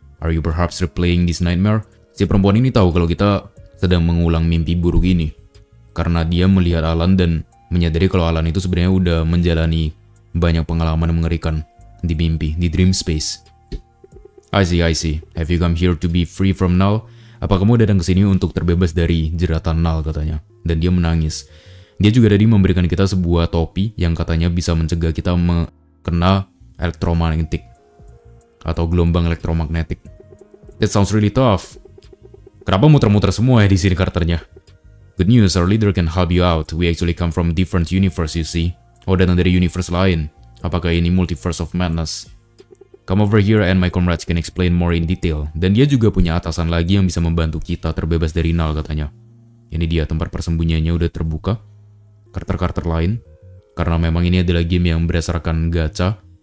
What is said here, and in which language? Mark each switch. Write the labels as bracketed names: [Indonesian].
[English] Are you perhaps replaying this nightmare? [Indonesian] Si perempuan ini tahu kalau kita sedang mengulang mimpi buruk ini. Karena dia melihat Alan dan menyadari kalau Alan itu sebenarnya udah menjalani banyak pengalaman mengerikan di mimpi, di dream space. [English] I see. Have you come here to be free from null? [Indonesian] Apa kamu datang ke sini untuk terbebas dari jeratan null, katanya. Dan dia menangis. Dia juga tadi memberikan kita sebuah topi yang katanya bisa mencegah kita kena elektromagnetik. Atau gelombang elektromagnetik. [English] That sounds really tough. [Indonesian] Kenapa muter-muter semua ya di sini karakternya? [English] Good news, our leader can help you out. We actually come from different universe, you see. [Indonesian] Oh, datang dari universe lain. Apakah ini multiverse of madness? [English] Come over here and my comrades can explain more in detail. [Indonesian] Dan dia juga punya atasan lagi yang bisa membantu kita terbebas dari null, katanya. Ini dia, tempat persembunyiannya udah terbuka. Karakter-karakter lain. Karena memang ini adalah game yang berdasarkan gacha.